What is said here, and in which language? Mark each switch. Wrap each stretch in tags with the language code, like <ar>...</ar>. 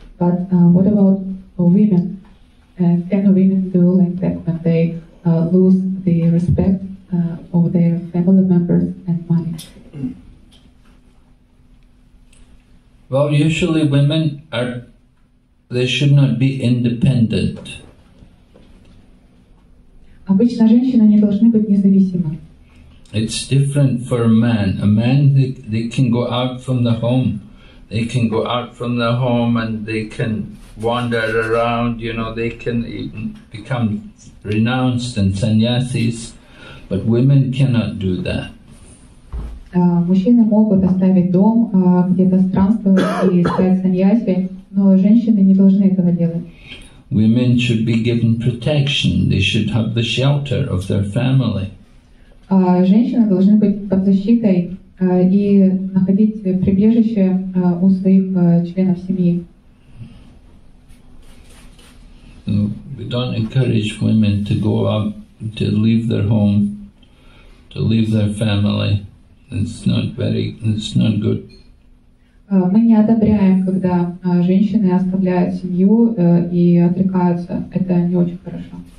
<en>But what about women? Can women do like that when they lose the respect of their family members and money? Well, usually women they should not be independent.</en> <ru>Обычно женщины не должны быть независимыми.</ru> <en>It's different for a man. A man, they can go out from the home. They can go out from the home and they can wander around, you know, they can become renounced and sannyasis. But women cannot do that.</en> <ru>Мужчины могут оставить дом, где-то странствовать и искать саньяси, но женщины не должны этого делать.</ru> <en>Women should be given protection. They should have the shelter of their family.</en> <ru>Женщины должны быть под защитой и находить прибежище у своих членов семьи.</ru> <en>We don't encourage women to go out, to leave their home, to leave their family. It's not good.</en> <ru>Мы не одобряем, когда женщины оставляют семью и отрекаются. Это не очень хорошо.</ru>